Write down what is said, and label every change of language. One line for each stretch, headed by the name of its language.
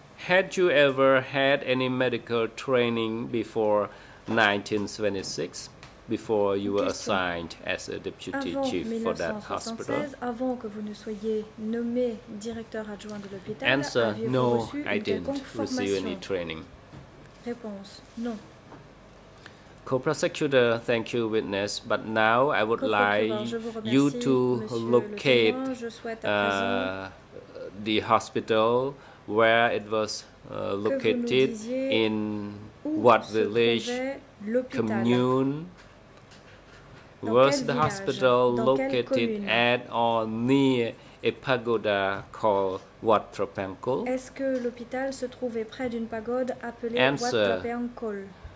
English: Had you ever had any medical training before 1976, before you were assigned as a deputy chief for that hospital?
French: Avant que vous ne soyez nommé directeur adjoint de l'hôpital,
English: answer, no,
French: reçu
English: I didn't receive any training.
French: Réponse, non.
English: Co-prosecutor, thank you, witness. But now I would like you to locate the hospital where it was located, in what village, commune, was the hospital located at or near a pagoda called Wat Trapangkol?
French: Est-ce que l'hôpital se trouvait près d'une pagode appelée Wat Trapangkol?